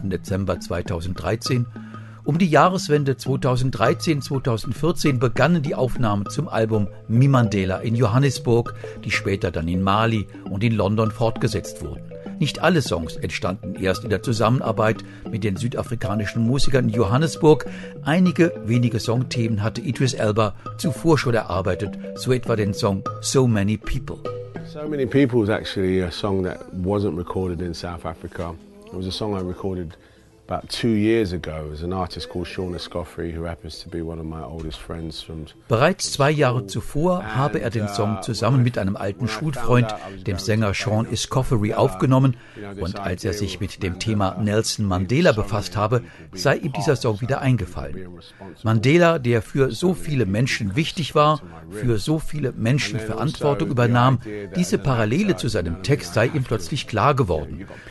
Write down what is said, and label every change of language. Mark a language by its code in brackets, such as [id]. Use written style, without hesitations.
[de] Dezember 2013, um die Jahreswende 2013-2014 begannen die Aufnahmen zum Album Me Mandela in Johannesburg, die später dann in Mali und in London fortgesetzt wurden. Nicht alle Songs entstanden erst in der Zusammenarbeit mit den südafrikanischen Musikern in Johannesburg. Einige wenige Songthemen hatte Idris Elba zuvor schon erarbeitet, so etwa den Song So Many People. [en] So Many People is actually a song that wasn't recorded in South Africa. It was a song I recorded about 2 years ago. It was an artist called Shauna Scoffrey, who happens to be one of my oldest friends from. [de] Bereits 2 Jahre zuvor habe er den Song zusammen mit einem alten Schulfreund, dem Sänger Sean Scoffrey, aufgenommen. Und als er sich mit dem Thema Nelson Mandela befasst habe, sei ihm dieser Song wieder eingefallen. Mandela, der für so viele Menschen wichtig war, für so viele Menschen Verantwortung übernahm, diese Parallele zu seinem Text sei ihm plötzlich klar geworden.